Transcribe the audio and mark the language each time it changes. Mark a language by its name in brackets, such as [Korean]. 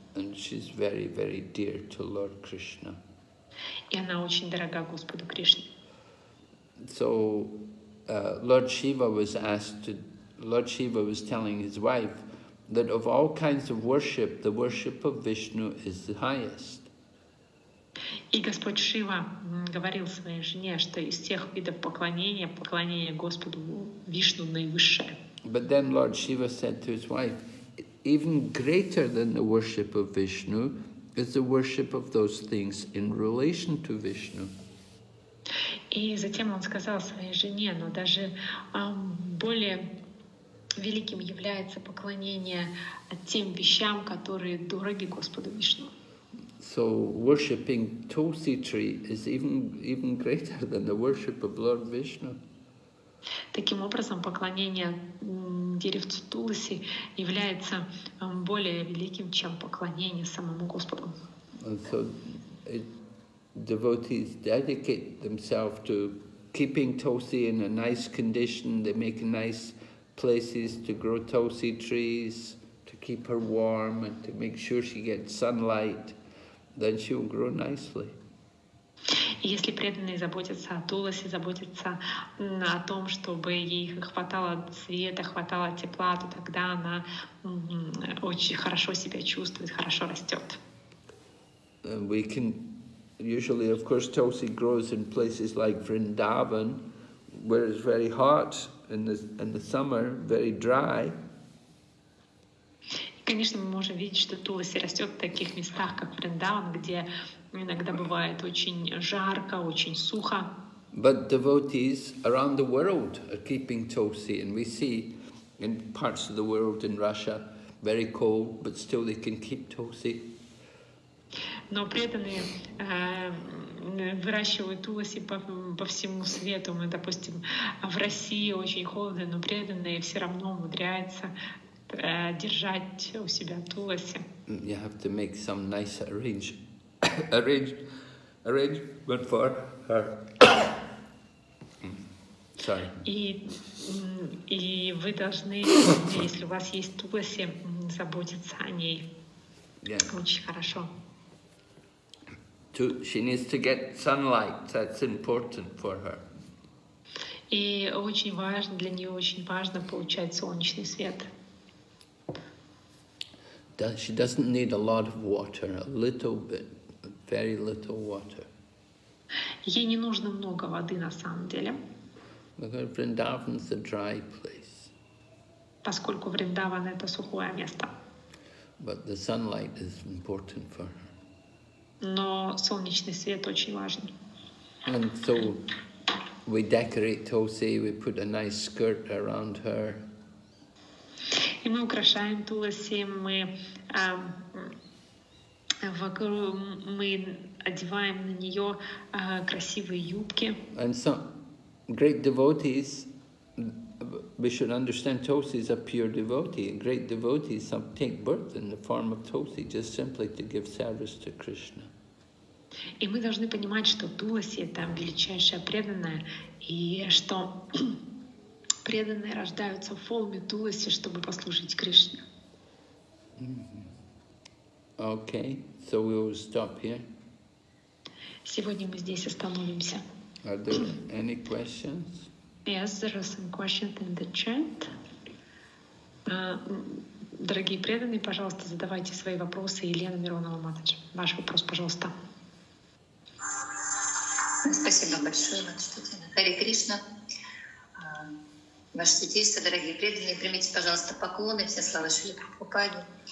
[English] And she's very, very dear to Lord Krishna. [Russian] И она очень дорога Господу Кришне. [English] So Lord Shiva was telling his wife that of all kinds of worship, the worship of Vishnu is the highest. [Russian] И Господь Шива говорил своей жене, что из всех видов поклонения, поклонение Господу Вишну наивысшее. [English] But then Lord Shiva said to his wife, even greater than the worship of Vishnu is the worship of those things in relation to Vishnu. [Russian] И затем он сказал своей жене, но даже более великим является поклонение тем вещам, которые дороги Господу Вишну. [English] So worshipping Tulsi tree is even greater than the worship of Lord Vishnu. [Russian] Таким образом, поклонение деревцу Туласи является более великим, чем поклонение самому Господу. [English] And so devotees dedicate themselves to keeping Tulsi in a nice condition. They make nice places to grow Tulsi trees, to keep her warm and to make sure she gets sunlight. Then she will grow nicely. [Russian] Если преданные заботятся о Туласе, заботятся о том, чтобы ей хватало света, хватало тепла, то тогда она очень хорошо себя чувствует, хорошо растет. [English] We can usually, of course, Tulsi grows in places like Vrindavan, where it's very hot in the summer, very dry. [Russian] Конечно, мы можем видеть, что Туласи растет в таких местах, как Вриндаван, где иногда бывает очень жарко, очень сухо. [English] But devotees around the world are keeping Tulsi, and we see in parts of the world, in Russia, very cold, but still they can keep Tulsi. [Russian] Но преданные выращивают туласи по всему свету. Мы, допустим, в России очень холодно, но преданные все равно умудряются держать у себя туласи. [English] You have to make some nice arrangement for her. [Russian] И вы должны, если у вас есть туласи, заботиться о ней. [English] Yes. [Russian] Очень хорошо. [English] She needs to get sunlight. That's important for her. [Russian] И очень важно для нее, очень важно получать солнечный свет. [English] She doesn't need a lot of water. A little bit, very little water. [Russian] Ей не нужно много воды на самом деле. [English] Because Vrindavan is a dry place. [Russian] Поскольку Вриндаван это сухое место. [English] But the sunlight is important for her. [Russian] Но солнечный свет очень важен. [English] And so we decorate Tulsi, we put a nice skirt around her. [Russian] И мы украшаем Туласи, мы одеваем на нее красивые юбки. [English] And so great devotees, we should understand Tulsi is a pure devotee. Great devotees take birth in the form of Tulsi just simply to give service to Krishna. [Russian] И мы должны понимать, что Туласи — это величайшая преданная, и что преданные рождаются в форме Туласи, чтобы послушать Кришне. [English] Okay, so we will stop here. [Russian] Сегодня мы здесь остановимся. [English] Are there any questions? Yes, there are some questions in the chat. [Russian] Дорогие преданные, пожалуйста, задавайте свои вопросы Елене Миронова Матадж. Ваш вопрос, пожалуйста. Спасибо большое, Матадж. Хари Кришна. Ваше святейство, дорогие преданные, примите, пожалуйста, поклоны, все слава Шри Прабхупаде.